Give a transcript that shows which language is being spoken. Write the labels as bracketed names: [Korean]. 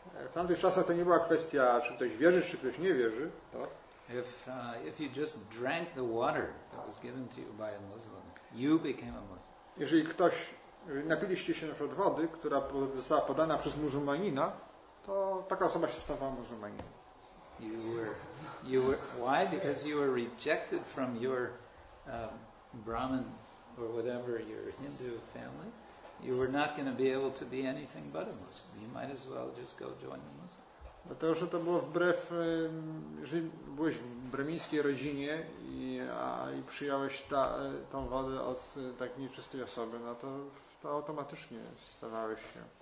[Polish] W tamtych czasach to nie była kwestia, czy ktoś wierzy, czy ktoś nie wierzy. To. [English] If you just drank the water that was given to you by a Muslim, you became a Muslim. [Polish] Jeżeli ktoś, napiliście się od wody, która została podana przez muzułmanina, to taka osoba się stawała muzułmaninem. [English] You were why? Because you were rejected from your Brahmin or whatever your Hindu family. You were not going to be able to be anything but a Muslim. You might as well just go join the Muslim. [Polish] Dlatego, że to było wbrew, jeżeli byłeś w bremińskiej rodzinie i przyjąłeś tą wodę od tak nieczystej osoby, no to automatycznie stawałeś się.